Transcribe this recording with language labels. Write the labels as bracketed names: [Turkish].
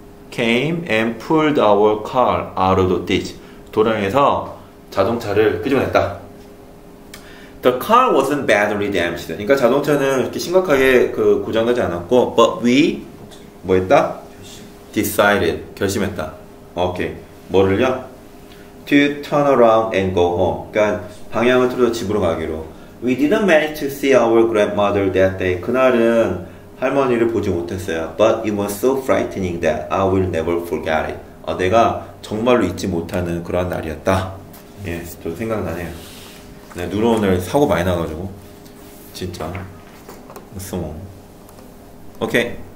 [English] Came and pulled our car out of the ditch. [Korean] 도랑에서 자동차를 끄집어냈다. [English] The car wasn't badly damaged. [Korean] 그러니까 자동차는 이렇게 심각하게 그 고장나지 않았고, [English] but we [Korean] 뭐했다? [English] Decided [Korean] 결심했다. Okay, 뭐를요? [English] To turn around and go home. [Korean] 그러니까 방향을 틀어서 집으로 가기로. [English] We didn't manage to see our grandmother that day. [Korean] 그날은 할머니를 보지 못했어요. [English] But it was so frightening that I will never forget it. [Korean] 아, 내가 정말로 잊지 못하는 그런 날이었다. 예, 저도 생각나네요. 네, 눈 오늘 사고 많이 나가지고 진짜 무서워. 오케이.